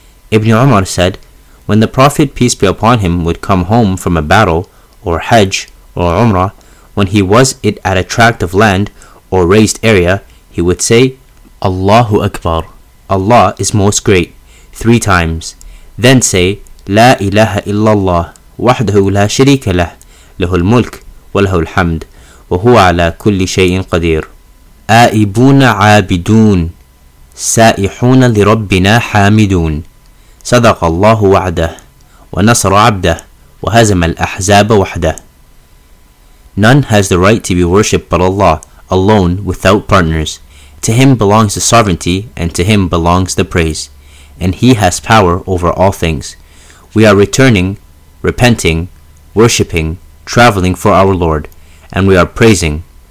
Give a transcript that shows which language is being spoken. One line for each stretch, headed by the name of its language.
English: Ibn Umar said, when the Prophet, peace be upon him, would come home from a battle, or Hajj, or Umrah, when he was it at a tract of land, or raised area, he would say, Allahu Akbar, Allah is most great, 3 times. Then say,
Arabic: La ilaha illallah, wahdahu la sharika lah, له الملك وله الحمد وهو على كل شيء قدير آئبون عابدون سائحون لربنا حامدون صدق الله وعده ونصر عبده وهزم الأحزاب وحده.
English: None has the right to be worshipped but Allah, alone, without partners. To Him belongs the sovereignty, and to Him belongs the praise. And He has power over all things. We are returning, repenting, worshipping, traveling for our Lord, and we are praising.